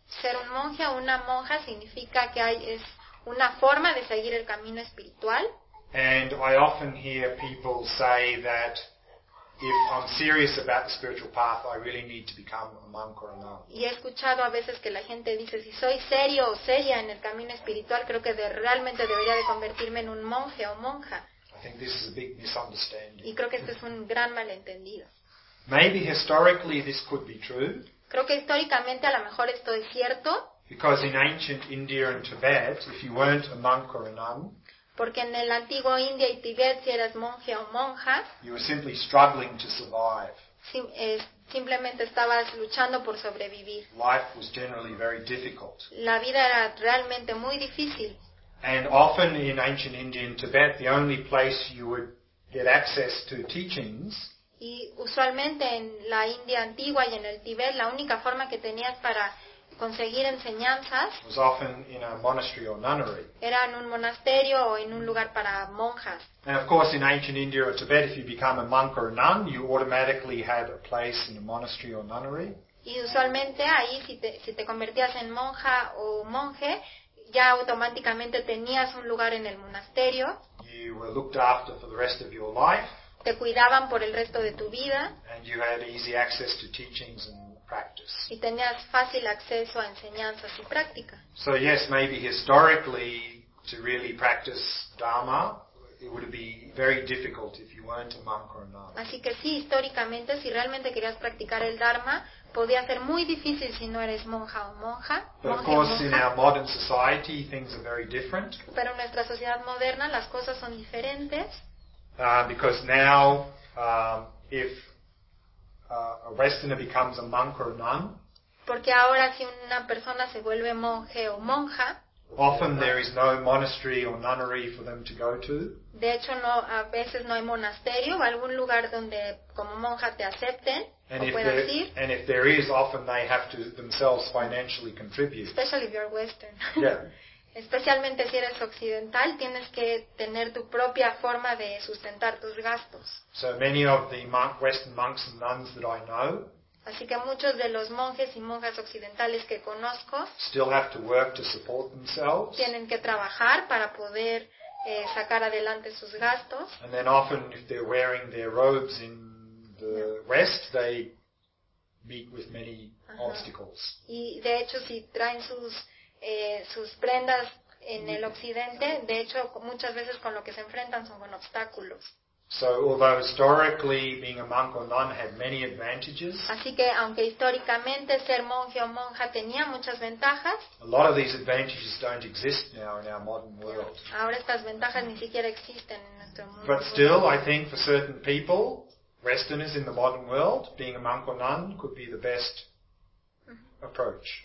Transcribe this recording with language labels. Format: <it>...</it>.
<es>Ser un monje o una monja significa que es una forma de seguir el camino espiritual.</es> <en>And I often hear people say that if I'm serious about the spiritual path, I really need to become a monk or a nun.</en> <es>Y he escuchado a veces que la gente dice, si soy serio o seria en el camino espiritual, creo que realmente debería de convertirme en un monje o monja.</es> <en>I think this is a big misunderstanding.</en> <es>Y creo que esto es un gran malentendido.</es> <en>Maybe historically this could be true.</en> <es>Creo que históricamente a lo mejor esto es cierto.</es> <en>Because in ancient India and Tibet, if you weren't a monk or a nun,</en> <es>porque en el antiguo India y Tibet, si eras monje o monja,</es> <en>you were simply struggling to survive.</en> <es>Simplemente estabas luchando por sobrevivir.</es> <en>Life was generally very difficult.</en> <es>La vida era realmente muy difícil.</es> <en>And often in ancient India and Tibet, the only place you would get access to teachings,</en> <es>y usualmente en la India antigua y en el Tibet, la única forma que tenías para conseguir enseñanzas,</es> <en>was often in a monastery or nunnery.</en> <es>Era en un monasterio o en un lugar para monjas.</es> <en>And of course in ancient India or Tibet, if you become a monk or a nun, you automatically had a place in a monastery or nunnery.</en> <es>Y usualmente ahí si te convertías en monja o monje, ya automáticamente tenías un lugar en el monasterio.</es> <en>You were looked after for the rest of your life.</en> <es>Te cuidaban por el resto de tu vida.</es> <en>And you had easy access to teachings and practice.</en> <es>Y tenías fácil acceso a enseñanzas y práctica.</es> <en>So yes, maybe historically to really practice Dharma, it would be very difficult if you weren't a monk or a nun.</en> <es>Así que sí, históricamente, si realmente querías practicar el Dharma, podía ser muy difícil si no eres monja o monja.</es> <en>But of course, in our modern society, things are very different.</en> <es>Pero en nuestra sociedad moderna, las cosas son diferentes.</es> <en>Because now, if a Westerner becomes a monk or a nun,</en> <es>porque ahora si una persona se vuelve monje o monja,</es> <en>often there is no monastery or nunnery for them to go to.</en> <es>De hecho, no, a veces no hay monasterio o algún lugar donde como monja te acepten</es> <en>and</en> <es>o puedas ir.</es> <en>And if there is, often they have to themselves financially contribute. Especially if you're Western. Yeah.</en> <es>Especialmente si eres occidental, tienes que tener tu propia forma de sustentar tus gastos.</es> <en>So many of the Western monks and nuns that I know,</en> <es>así que muchos de los monjes y monjas occidentales que conozco</es> <en>still have to work to support themselves,</en> <es>tienen que trabajar para poder sacar adelante sus gastos.</es> <en>And then often if they're wearing their robes in the West, they meet with many obstacles.</en> <es>Y de hecho si traen sus prendas en el occidente, de hecho muchas veces con lo que se enfrentan son con obstáculos.</es> <en>So although historically being a monk or nun had many advantages,</en> <es>así que aunque históricamente ser monje o monja tenía muchas ventajas,</es> <en>a lot of these advantages don't exist now in our modern world.</en> <es>Ahora estas ventajas ni siquiera existen en nuestro mundo.</es> <en>But still, I think for certain people, Westerners in the modern world, being a monk or nun could be the best approach.</en>